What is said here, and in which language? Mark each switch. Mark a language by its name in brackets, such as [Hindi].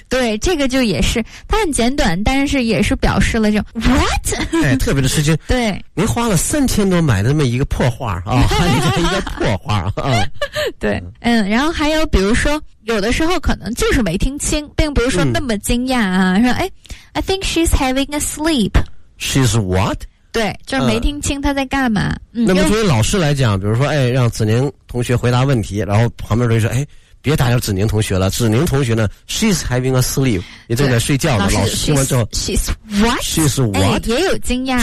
[Chinese] 对，这个就也是它很简短，但是也是表示了这种 what？哎，特别的吃惊。对，您花了3000多买的那么一个破画啊，一个破画啊。对，嗯，然后还有比如说。有的时候可能就是没听清，并不是说那么惊讶啊。嗯、说，哎 [English] ，I think she's having a sleep. She's what? [Chinese] 对，就是没听清她在干嘛。那么作为老师来讲，比如说，哎，让子宁同学回答问题，然后旁边同学说，哎，别打扰子宁同学了。子宁同学呢 ， [English] she's having a sleep. [Chinese] 你正在睡觉呢，老师听完之后 [English] she's what、 [Chinese] 哎、也有惊讶，